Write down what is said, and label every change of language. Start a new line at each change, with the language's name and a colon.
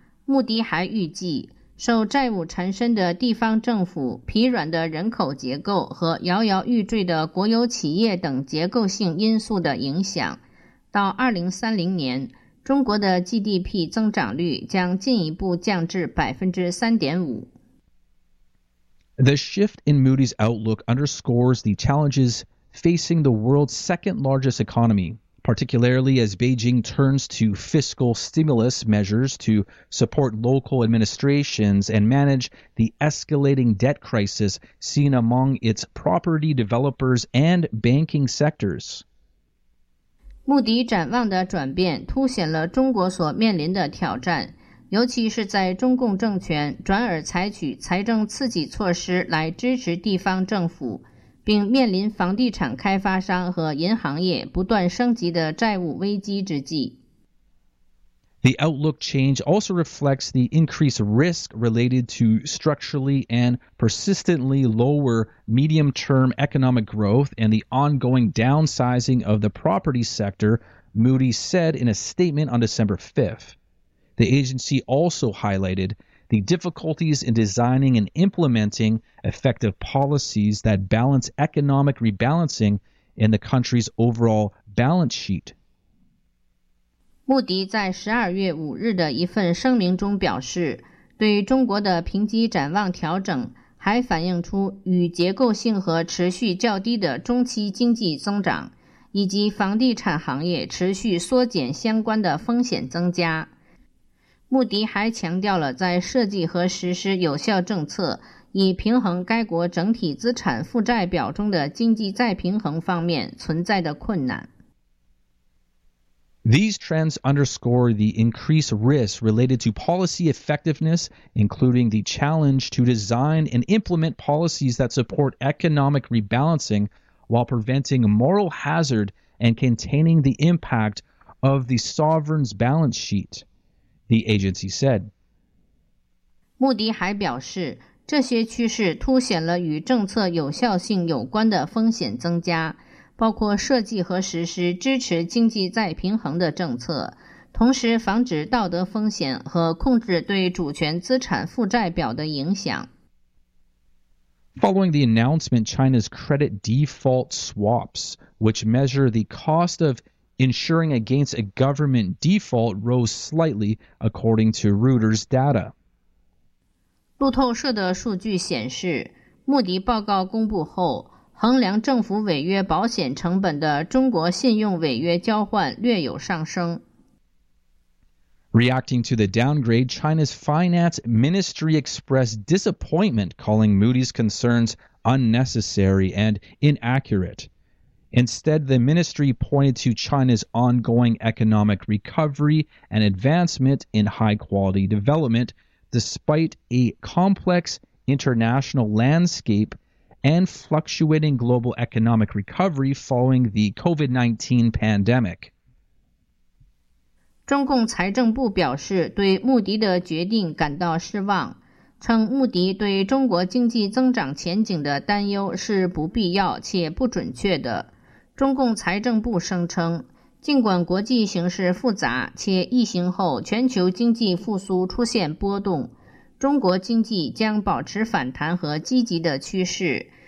Chinese: 穆迪还预计受债务缠身的地方政府、疲软的人口结构和摇摇欲坠的国有企业等结构性因素的影响，到2030年，中国的 GDP 增长率将进一步降至 3.5%。
English: The shift in Moody's outlook underscores the challenges facing the world's second largest economy, particularly as Beijing turns to fiscal stimulus measures to support local administrations and manage the escalating debt crisis seen among its property developers and banking sectors.
Chinese: 穆迪展望的转变凸显了中国所面临的挑战，尤其是在中共政权转而采取财政刺激措施来支持地方政府，并面临房地产开发商和银行业不断升级的债务危机之际。
English: The outlook change also reflects the increased risk related to structurally and persistently lower medium-term economic growth and the ongoing downsizing of the property sector, Moody said in a statement on December 5th. The agency also highlighted the difficulties in designing and implementing effective policies that balance economic rebalancing in the country's overall balance sheet.
Chinese: 穆迪在12月5日的一份声明中表示，对中国的评级展望调整还反映出与结构性和持续较低的中期经济增长，以及房地产行业持续缩减相关的风险增加。穆迪还强调了在设计和实施有效政策，以平衡该国整体资产负债表中的经济再平衡方面存在的困难。
English: These trends underscore the increased risk related to policy effectiveness, including the challenge to design and implement policies that support economic rebalancing while preventing moral hazard and containing the impact of the sovereign's balance sheet, the agency said.
Chinese: 穆迪还表示，这些趋势凸显了与政策有效性有关的风险增加，包括设计和实施支持经济再平衡的政策，同时防止道德风险和控制对主权资产负债表的影响。
English: Following the announcement, China's credit default swaps, which measure the cost of insuring against a government default, rose slightly, according to Reuters data.
Chinese: 路透社的数据显示，穆迪报告公布后，衡量政府违约保险成本的中国信用违约交换略有上升。
English: Reacting to the downgrade, China's finance ministry expressed disappointment, calling Moody's concerns unnecessary and inaccurate. Instead, the ministry pointed to China's ongoing economic recovery and advancement in high-quality development, despite a complex international landscape and fluctuating global economic recovery following the COVID-19 pandemic.
Chinese: 中共财政部表示对穆迪的决定感到失望，称穆迪对中国经济增长前景的担忧是不必要且不准确的。中共财政部声称，尽管国际形势复杂且疫情后全球经济复苏出现波动，中国经济将保持反弹和积极的趋势，